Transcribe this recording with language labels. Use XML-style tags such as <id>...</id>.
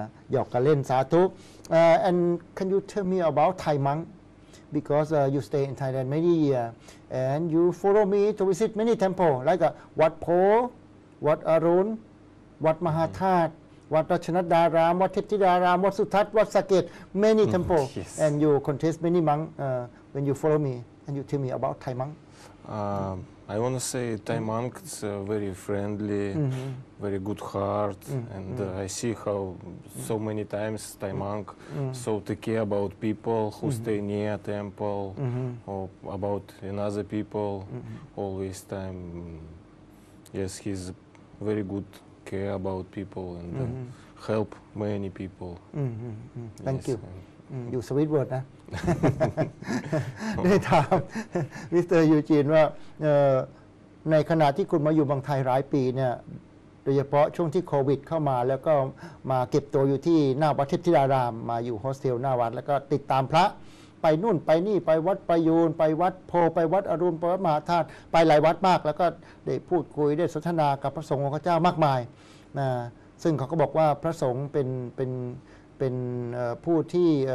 <th>หยอกกันเล่นสาธุ</th> <en>and can you tell me about Thai monk because you stay in Thailand many years and you follow me to visit many temple like Wat Pho Wat Arun Wat Mahathat Wat Ratchanadaram Wat Thittidaram Wat Suthat Wat Saket many temple and you contest many monk when you follow me and you tell me about Thai monk I want to say Thai monk is very friendly, very good heart, and I see how so many times Thai monk so take care about people who stay near temple or about another people always time. Yes, he's very good care about people and help many people. Thank you.</en> <th>อยู่สวิตเวิร์ดนะ ได้ถามมิสเตอร์ยูจีนว่าในขณะที่คุณมาอยู่บางไทยหลายปีเนี่ยโดยเฉพาะช่วงที่โควิดเข้ามาแล้วก็มาเก็บตัวอยู่ที่หน้าวัดเทพธิดารามมาอยู่โฮสเทลหน้าวัดแล้วก็ติดตามพระไปนู่นไปนี่ไปวัดประยูนไปวัดโพไปวัดอรุณไปวัดมหาธาตุไปหลายวัดมากแล้วก็ได้พูดคุยได้สนทนากับพระสงฆ์ของพระเจ้ามากมายนะซึ่งเขาก็บอกว่าพระสงฆ์เป็นผู้ที่</th>